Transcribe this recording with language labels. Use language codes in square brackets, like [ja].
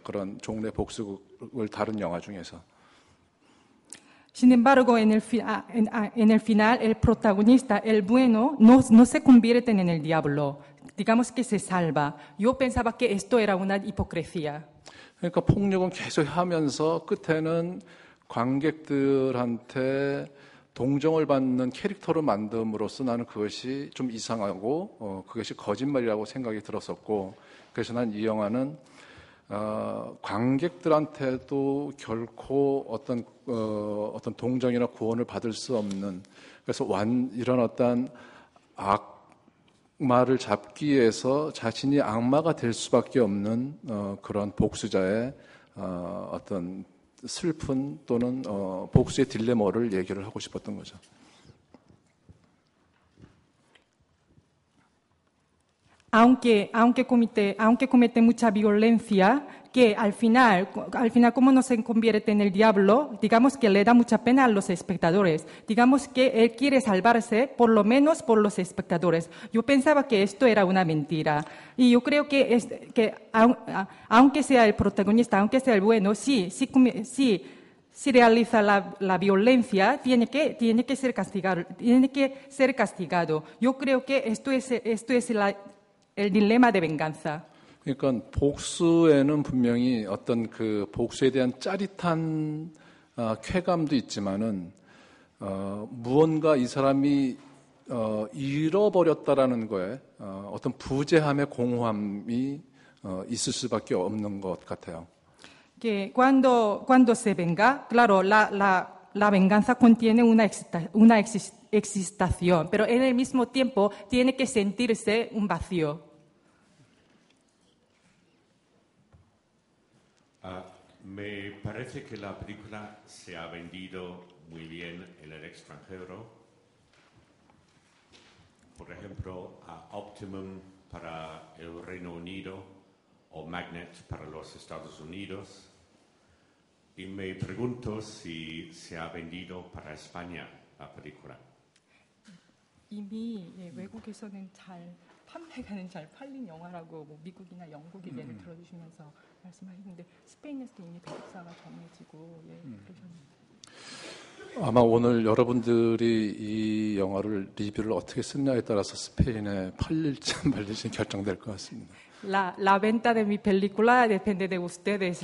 [ko] 그런 종래 복수극을 다른 영화 중에서. [es] Sin embargo, en el final, el protagonista, el bueno, no se convierte en el diablo. Digamos que se salva. Yo pensaba que esto era una hipocresía. [ko] 그러니까 폭력은 계속 하면서 끝에는 관객들한테 동정을 받는 캐릭터로 만듦으로써 나는 그것이 좀 이상하고 그것이 거짓말이라고 생각이 들었었고 그래서 난 이 영화는 관객들한테도 결코 어떤 동정이나 구원을 받을 수 없는 그래서 이런 어떤 악마를 잡기 위해서 자신이 악마가 될 수밖에 없는 그런 복수자의 어떤 슬픈 또는 복수의 딜레마를 얘기를 하고 싶었던 거죠. [es] Aunque comete mucha violencia, que al final como no se convierte en el diablo, digamos que le da mucha pena a los espectadores. Digamos que él quiere salvarse, por lo menos por los espectadores. Yo pensaba que esto era una mentira. Y yo creo que aunque sea el protagonista, aunque sea el bueno, si realiza la violencia, tiene que ser castigado. Yo creo que esto es el dilema de venganza. [ko] 그러니까 복수에는 분명히 어떤 그 복수에 대한 짜릿한 쾌감도 있지만은 무언가 이 사람이 잃어버렸다라는 거에 어떤 부재함의 공허함이 있을 수밖에 없는 것 같아요. [es] Que cuando se venga, claro, la venganza contiene una excitación, pero en el mismo tiempo tiene que sentirse un vacío. Me parece que la película se ha vendido muy bien en el extranjero. Por ejemplo, a Optimum para el Reino Unido o Magnet para los Estados Unidos. Y me pregunto si se ha vendido para España la película. [ko] 이미 외국에서는 잘 판매가는 잘 팔린 영화라고 뭐 미국이나 영국 얘기를 들어주시면서 말씀하시는데 스페인에서도 이미 백사가 정해지고 그러셨는데 아마 오늘 여러분들이 이 영화를 리뷰를 어떻게 쓰냐에 따라서 스페인에 팔릴지 안 팔릴지 결정될 것 같습니다. [es] La venta de mi película depende de ustedes.